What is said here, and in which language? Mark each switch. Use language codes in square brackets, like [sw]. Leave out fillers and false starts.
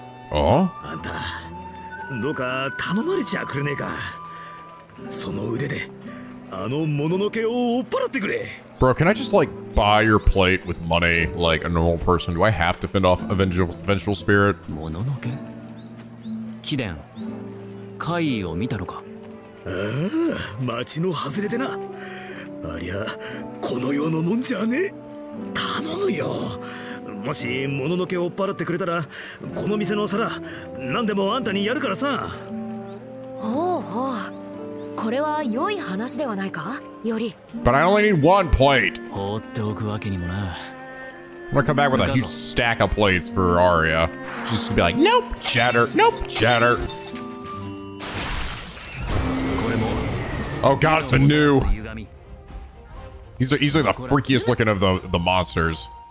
[ja] あんた、どうか頼まれちゃくれねえか。その腕で、あのもののけを追っ払ってくれ。 [en] Bro, can I just, like, buy your plate with money, like a normal person? Do I have to fend off a vengeful spirit? [ja] もののけ？貴殿、怪異を見たのか？ああ、町の外れでな。ありゃ、この世のもんじゃね。頼むよ。もし、もののけを追っ払ってくれたら、この店のお皿、何でもあんたにやるからさ。おうおう、これは良い話ではないか、より。 [en] But I only need one plate. [ja] 放っておくわけにもな。 [en] I'm gonna come back with a huge stack of plates for Aria. Just be like, nope, chatter, nope, chatter. Oh god, it's a new! He's like the freakiest looking of the monsters.